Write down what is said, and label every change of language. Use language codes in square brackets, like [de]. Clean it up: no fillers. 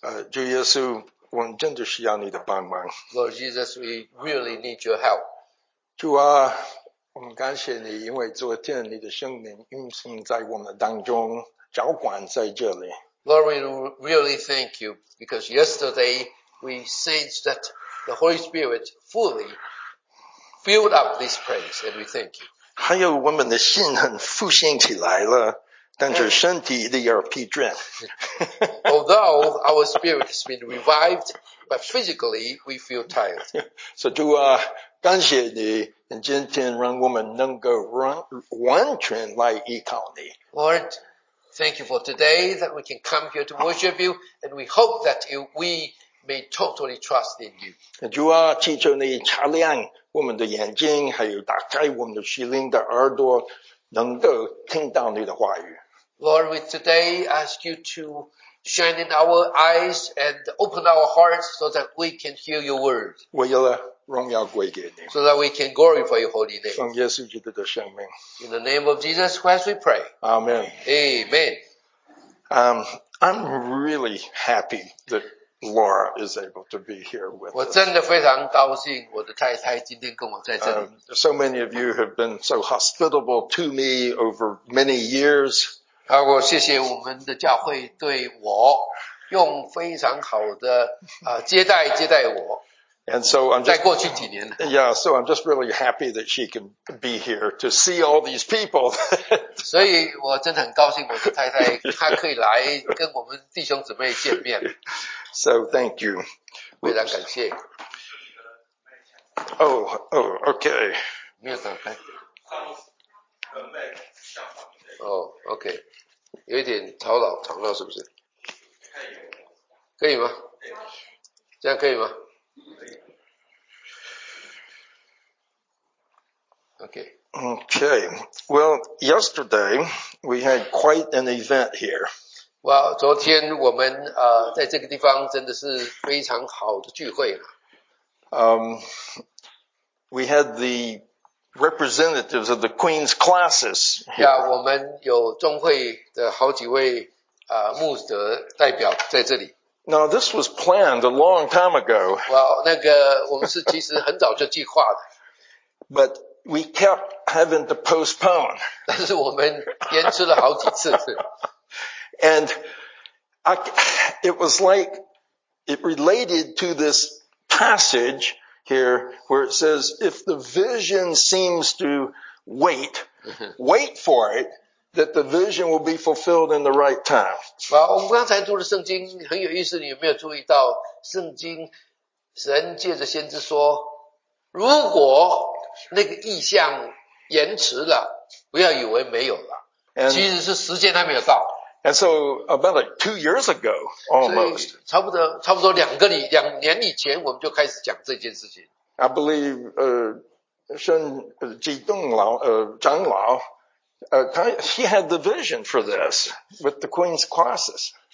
[zh] 主耶稣，我们真的需要你的帮忙。 [en] Lord Jesus, we really need your help. [zh] 主啊，我们感谢你，因为昨天你的圣灵运行在我们当中，浇灌在这里。 [en] Lord, we really thank you because yesterday we sensed that the Holy Spirit fully filled up this place, and we thank you. [zh] 还有我们的心很复兴起来了，但是身体的有疲倦。 [en] Although our spirit has been revived, but physically we feel tired. [zh] 所以主啊。感谢你，今天让我们能够完全来依靠你。 [en] Lord, thank you for today that we can come here to worship you, and we hope that we may totally trust in you. [zh] 主啊，祈求你擦亮我们的眼睛，还有打开我们的心灵的耳朵，能够听到你的话语。 [en] Lord, we today ask you to shine in our eyes and open our hearts so that we can hear your word. [zh] 为了荣耀归给你。 [en] So that we can glorify your holy name. [zh] 奉耶稣基督的圣名。 [en] In the name of Jesus Christ we pray. Amen. Amen. I'm really happy that Laura is able to be here with us. [zh] 我真的非常高兴我的太太今天跟我在这里。 [en] So many of you have been so hospitable to me over many years. [zh] 好，我谢谢我们的教会对我用非常好的接待我。 [en] And so I'm just, [zh] 在过去几年, [en] yeah, so I'm just really happy that she can be here to see all these people. [zh] 所以我真的很高兴我的太太她可以来跟我们弟兄姊妹见面。 [en] So thank you. [zh] 非常感谢。 [en] Okay. [zh] 没有打开。 Okay. 有一点吵闹是不是？可以吗？这样可以吗？ [en] Okay. Well, yesterday we had quite an event here. [zh] Well, 昨天我们在这个地方真的是非常好的聚会啊。 [en] We had the representatives of the Queen's classes here. [zh] Yeah, 我们有中会的好几位牧者代表在这里。 [en] Now, this was planned a long time ago. [zh] Well, 那个我们是其实很早就计划的。 [en] But we kept having to postpone. [zh] 但是我们延迟了好几次。 [en] And it was like it related to this passage here where it says, if the vision seems to wait, wait for it, that the vision will be fulfilled in the right time. [zh] 我们刚才读的圣经很有意思，你有没有注意到圣经神借着先知说，如果那个意象延迟了，不要以为没有了，其实是时间还没有到。 [en] And so about like 2 years ago, almost. [zh] 差不多两年以前，我们就开始讲这件事情。 [en] I believe, 圣继东老长老，他 had the vision for this with the Queen's classes.